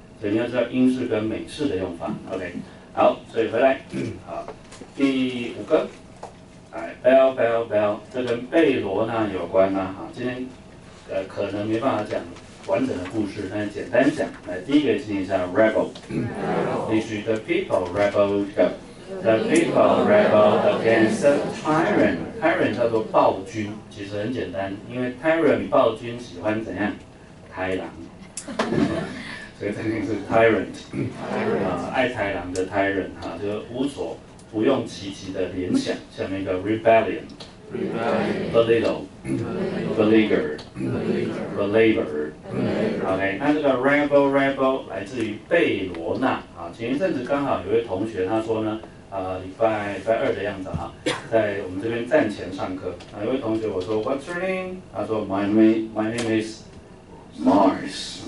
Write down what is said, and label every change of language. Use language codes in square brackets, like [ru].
[zh] 肯定要知道英式跟美式的用法。OK， 好，所以回来，好，第五个，哎 ，bell bell bell， 这跟贝罗呢有关呢、啊。好，今天可能没办法讲完整的故事，但是简单讲。来，第一个进行一下 rebel， 必须 [en] the people rebel go。 The people rebel against the tyrant. [zh] Tyrant 叫做暴君，其实很简单，因为 tyrant 暴君喜欢怎样？豺狼，所以肯定是 tyrant， 啊，爱豺狼的 tyrant 哈、啊，就无所不用其极的联想，下面一个 rebellion， belittle， beleaguer， belabor。 OK， 那这个 rebel rebel 来自于贝罗纳啊，前一阵子刚好有位同学他说呢。礼拜二的样子哈，在我们这边站前上课。啊，一位同学我说 [en] What's your name？ [zh] 他说 [en] My name is Mars。